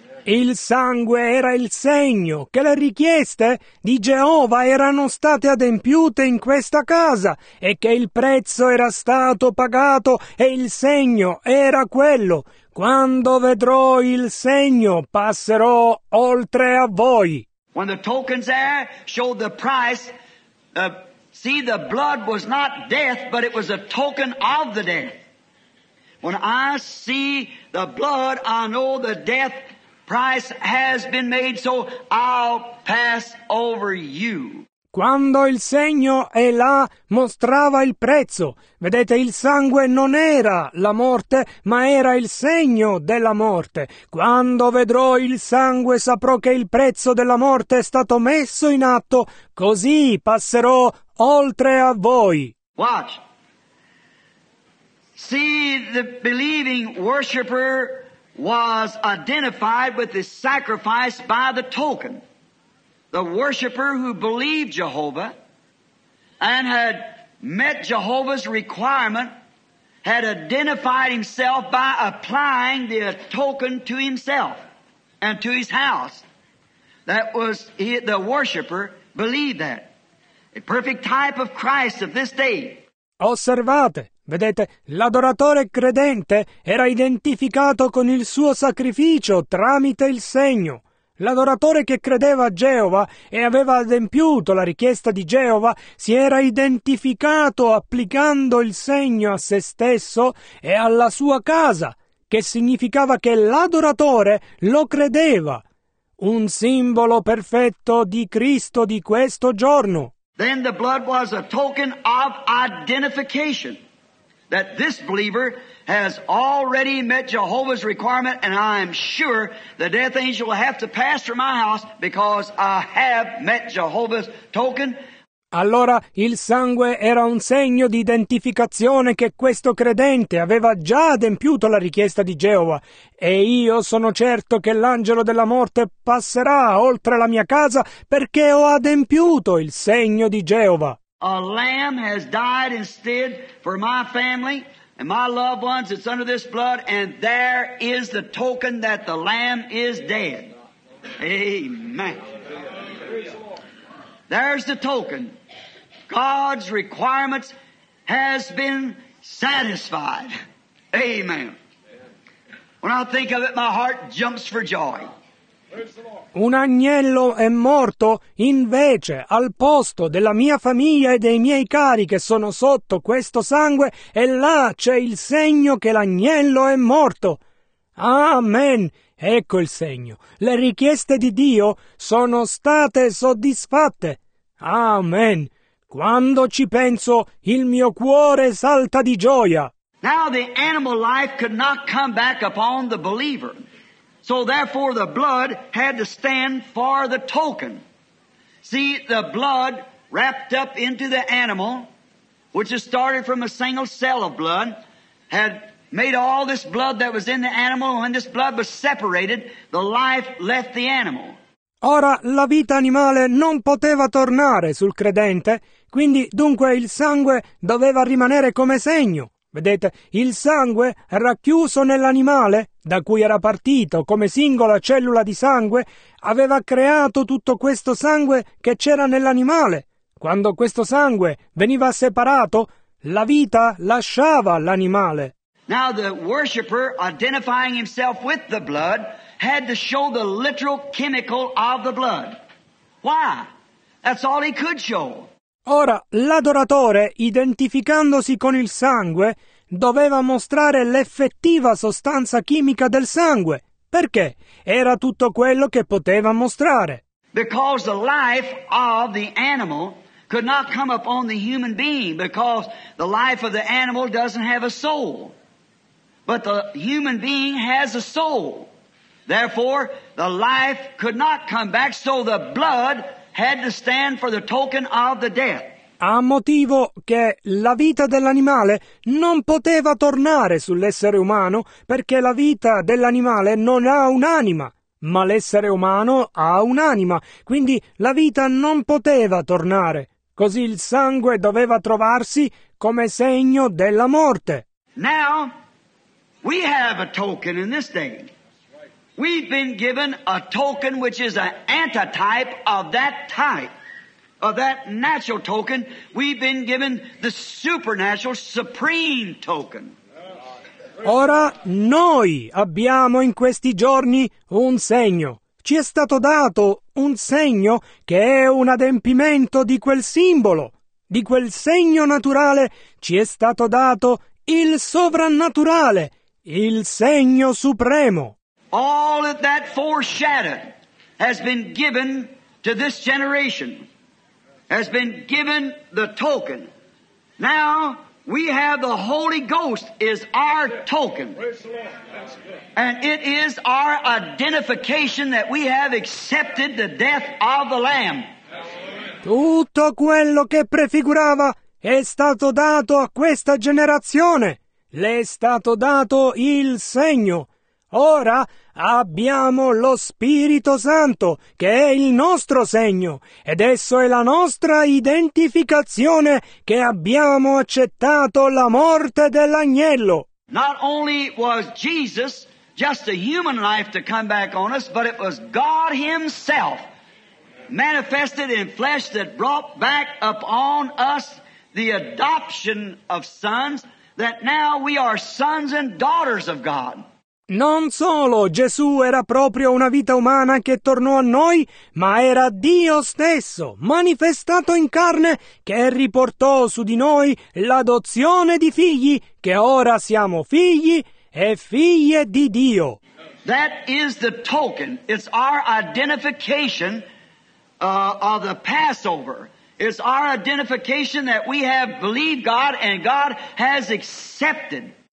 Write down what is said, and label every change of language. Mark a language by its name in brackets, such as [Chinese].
[Italian] Il sangue era il segno che le richieste di Geova erano state adempiute in questa casa e che il prezzo era stato pagato e il segno era quello. Quando vedrò il segno, passerò oltre a voi. [English] When the tokens there showed the price, see, the blood was not death, but it was a token of the death. When I see the blood, I know the death price has been made, so I'll pass over you. [Italian] Quando il segno è là, mostrava il prezzo. Vedete, il sangue non era la morte, ma era il segno della morte. Quando vedrò il sangue, saprò che il prezzo della morte è stato messo in atto, così passerò oltre a voi. [English] Watch. See, the believing worshiper was identified with the sacrifice by the token. The worshiper who believed Jehovah and had met Jehovah's requirement had identified himself by applying the token to himself and to his house. That was, he, the worshiper believed that. A perfect type of Christ of this day. [Italian] Osservate. Vedete, l'adoratore credente era identificato con il suo sacrificio tramite il segno. L'adoratore che credeva a Geova e aveva adempiuto la richiesta di Geova si era identificato applicando il segno a se stesso e alla sua casa, che significava che l'adoratore lo credeva. Un simbolo perfetto di Cristo di questo giorno. [English] Then the blood was a token of identification. That this believer has already met Jehovah's requirement, and I am sure the death angel will have to pass through my house because I have met Jehovah's token. [Italian] Allora il sangue era un segno di identificazione che questo credente aveva già adempiuto la richiesta di Geova, e io sono certo che l'angelo della morte passerà oltre la mia casa perché ho adempiuto il segno di Geova. [English] A lamb has died instead for my family and my loved ones. It's under this blood, and there is the token that the lamb is dead. Amen. There's the token. God's requirements has been satisfied. Amen. When I think of it, my heart jumps for joy. [Italian] Un agnello è morto invece al posto della mia famiglia e dei miei cari che sono sotto questo sangue, e là c'è il segno che l'agnello è morto. Amen. Ecco il segno. Le richieste di Dio sono state soddisfatte. Amen. Quando ci penso, il mio cuore salta di gioia. [English] Now the animal life could not come back upon the believer. So therefore the blood had to stand for the token. See, the blood wrapped up into the animal, which is started from a single cell of blood, had made all this blood that was in the animal. When this blood was separated, the life left the animal. [Italian] Ora la vita animale non poteva tornare sul credente, quindi dunque il sangue doveva rimanere come segno. Vedete, il sangue racchiuso nell'animale, da cui era partito come singola cellula di sangue, aveva creato tutto questo sangue che c'era nell'animale. Quando questo sangue veniva separato, la vita lasciava l'animale. [English] Now the worshipper, identifying himself with the blood, had to show the literal chemical of the blood. Why? That's all he could show. [Italian] Ora, l'adoratore, identificandosi con il sangue, doveva mostrare l'effettiva sostanza chimica del sangue. Perché? Era tutto quello che poteva mostrare. [English] Because the life of the animal could not come upon the human being because the life of the animal doesn't have a soul. But the human being has a soul. Therefore, the life could not come back, so the blood had to stand for the token of the death. [Italian] A motivo che la vita dell'animale non poteva tornare sull'essere umano perché la vita dell'animale non ha un'anima, ma l'essere umano ha un'anima, quindi la vita non poteva tornare. Così il sangue doveva trovarsi come segno della morte. [English] Now we have a token in this day. We've been given a token which is an antitype of that type. Of that natural token, we've been given the supernatural, supreme token. [Italian] Ora noi abbiamo in questi giorni un segno. Ci è stato dato un segno che è un adempimento di quel simbolo. Di quel segno naturale ci è stato dato il sovrannaturale, il segno supremo. [English] All of that foreshadowed has been given to this generation. Has been given the token. Now we have the Holy Ghost is our token. And it is our identification that we have accepted the death of the Lamb. [Italian] Tutto quello che prefigurava è stato dato a questa generazione. Le è stato dato il segno. Ora abbiamo lo Spirito Santo, che è il nostro segno, ed esso è la nostra identificazione che abbiamo accettato la morte dell'agnello. [English] Not only was Jesus just a human life to come back on us, but it was God Himself manifested in flesh that brought back upon us the adoption of sons, that now we are sons and daughters of God. [Italian] Non solo Gesù era proprio una vita umana che tornò a noi, ma era Dio stesso, manifestato in carne, che riportò su di noi l'adozione di figli, che ora siamo figli e figlie di Dio. [English] That is the token. It's our identification of the Passover. It's our identification that we have believed God and God has accepted.